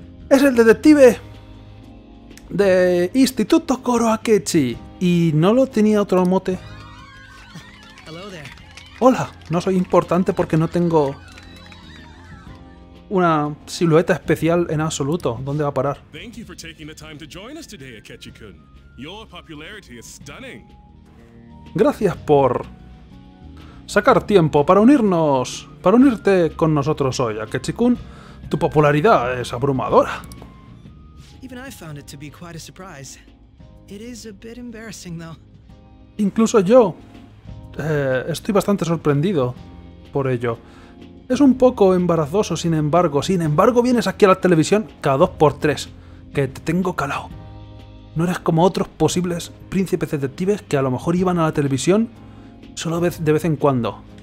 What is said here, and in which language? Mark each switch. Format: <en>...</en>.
<es>Es el detective de Instituto Goro Akechi. Y no lo tenía otro mote. Hola, no soy importante porque no tengo una silueta especial en absoluto. ¿Dónde va a parar?</es> <en>Thank you for taking the time to join us today, Akechi-kun. Your popularity is stunning.</en> <es>Gracias por sacar tiempo para unirnos, para unirte con nosotros hoy, Akechi-kun. Tu popularidad es abrumadora.</es> <en>Even I found it to be quite a surprise. It is a bit embarrassing, though.</en> <es>Incluso yo Estoy bastante sorprendido por ello. Es un poco embarazoso, sin embargo. Sin embargo, vienes aquí a la televisión cada 2x3. Que te tengo calado. No eres como otros posibles príncipes detectives que a lo mejor iban a la televisión solo de vez en cuando.</es>